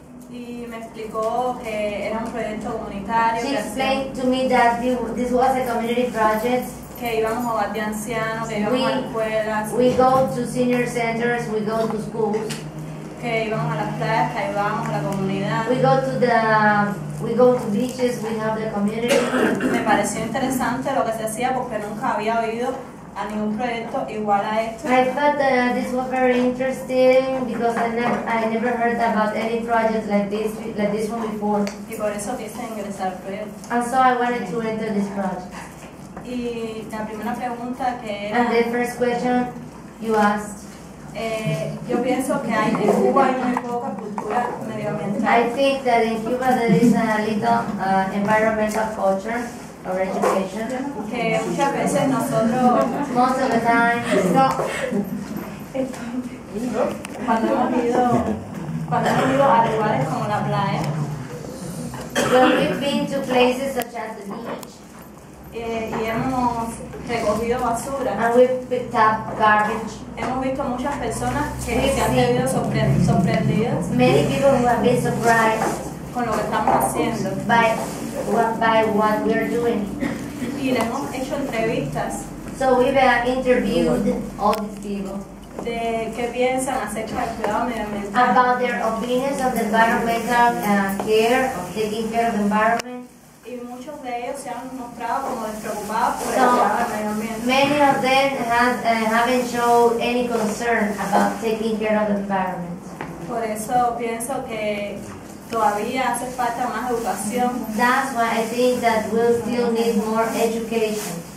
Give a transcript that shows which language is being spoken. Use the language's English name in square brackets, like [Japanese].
[Spanish] Y me explicó que era un proyecto comunitario. [English] She explained to me that this was a community project. [Spanish] Que íbamos a hogar de ancianos, que íbamos a escuelas. [English] We go to senior centers, we go to schools. [Spanish] Que íbamos a las playas, que íbamos a la comunidad. [English] We go to beaches, we have the community. [Spanish] Me pareció interesante lo que se hacía porque nunca había oído a ningún proyecto igual a esto. [English] I thought that this was very interesting because I never heard about any project like this one before. [Spanish] Y por eso quise ingresar al proyecto. [English] And so I wanted to enter this project. [Spanish] Y la primera pregunta que era. [English] And the first question you asked. [Spanish] Yo pienso que hay en Cuba hay muy poca cultura medioambiental. [English] I think that in Cuba there is a little environmental culture or education. [Spanish] Que muchas veces nosotros. [English] Most of the time. [Spanish] No. Cuando hemos ido a lugares como la playa. [English] When we've been to places such as the beach. [Spanish] Y hemos recogido basura. [English] And we've picked up garbage. [Spanish] Hemos visto muchas personas que se han tenido sorprendidas. [English] Many people who have been surprised [Spanish] con lo que estamos haciendo. [English] By what we're doing. [Spanish] Y le hemos hecho entrevistas. [English] So we've interviewed all these people. [Spanish] De qué piensan acerca del cuidado medioambiental. [English] About their opinions of the environmental care, of taking care of the environment. [Spanish] Y muchos de ellos se han mostrado como despreocupados por el medio ambiente. [English] Many of them haven't shown any concern about taking care of the environment. [Spanish] Por eso pienso que todavía hace falta más educación. [English] That's why I think that we still need more education.